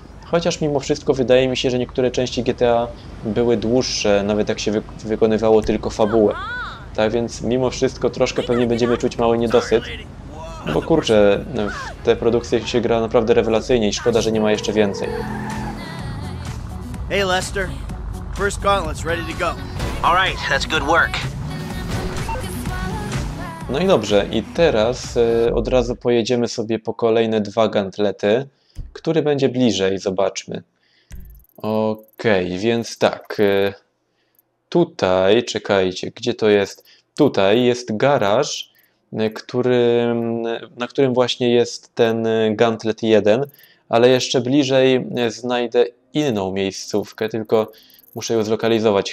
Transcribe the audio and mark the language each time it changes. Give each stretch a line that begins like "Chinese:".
Polish: Chociaż mimo wszystko wydaje mi się, że niektóre części GTA były dłuższe, nawet jak się wykonywało tylko fabułę. Tak więc mimo wszystko troszkę pewnie będziemy czuć mały niedosyt. Bo kurczę, w te produkcje się gra naprawdę rewelacyjnie i szkoda, że nie ma jeszcze więcej.
English: Hey Lester, first gauntlet's ready to go. All right, that's good work.
Polish: No i dobrze, i teraz od razu pojedziemy sobie po kolejne dwa gauntlety. Który będzie bliżej? Zobaczmy. Okej, więc tak. Tutaj, czekajcie, gdzie to jest? Tutaj jest garaż, na którym właśnie jest ten gauntlet 1, ale jeszcze bliżej znajdę inną miejscówkę, tylko muszę ją zlokalizować.